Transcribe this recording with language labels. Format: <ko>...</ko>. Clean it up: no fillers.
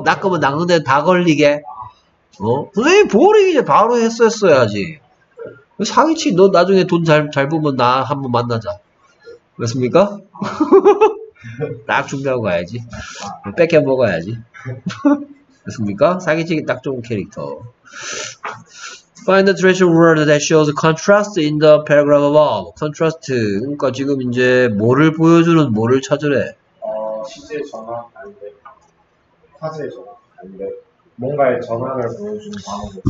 <ko>낚으면 낚는 대로 다 걸리게? 어? 선생님, 보링 이제 바로 했었어야지. 사기치, 너 나중에 돈 잘 보면 나 한번 만나자. 맞습니까? 딱 준비하고 가야지. 뺏겨 먹어야지. 됐습니까? 사기치기 딱 좋은 캐릭터.</ko> <en>Find the threshold word that shows contrast in the paragraph above. Contrast.</en> <ko>그러니까 지금 이제 뭐를 보여주는 뭐를 찾으래? 시제 전환 아닌데. 화제 전환 아닌데. 뭔가의 전환을 보여주는 방법.</ko>